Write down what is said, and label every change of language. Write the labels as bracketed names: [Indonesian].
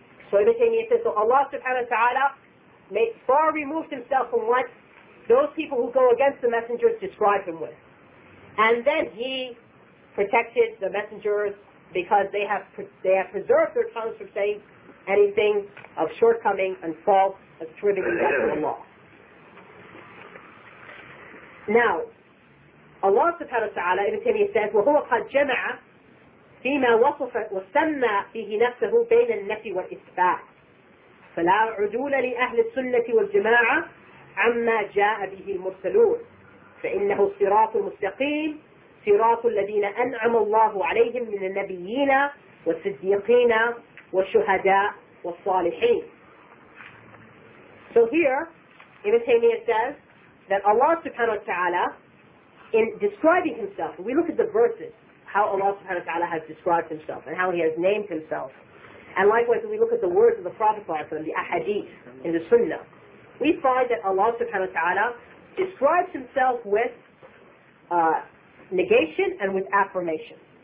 [English] So Ibn Taymiyyah says, so Allah subhanahu wa ta'ala made far removed himself from what those people who go against the messengers describe him with. And then he protected the messengers because they have preserved their tongues from saying anything of shortcoming and fault attributing to Allah. Now, Allah subhanahu wa ta'ala, Ibn Taymiyyah says, [Arabic] وَهُوَ قَدْ جَمَعَ فِيمَا وَصَفَ وَسَمَّى فِيهِ نَفْسَهُ بَيْنَ النَّفِي وَالْإِثْبَاتِ فَلَا عُدُولَ لِأَهْلِ السُّنَّةِ وَالْجَمَاعَةِ عَمَّا جَاءَ بِهِ الْمُرْسَلُونَ فَإِنَّهُ صِرَاطُ الْمُسْتَقِيمِ صِرَاطُ الَّذِينَ أَنْعَمَ اللَّهُ عَلَيْهِمْ مِنَ النَّبِيِّينَ وَالصِّدِّيقِينَ وَالشُّهَدَاءِ وَالصَّالِحِينَ. [English] So here, Ibn Taymiyyah says that Allah subhanahu wa ta'ala, in describing himself, we look at the verses, how Allah subhanahu wa ta'ala has described himself and how he has named himself. And likewise, when we look at the words of the Prophet, the ahadith in the sunnah, we find that Allah subhanahu wa ta'ala describes himself with negation and with affirmation.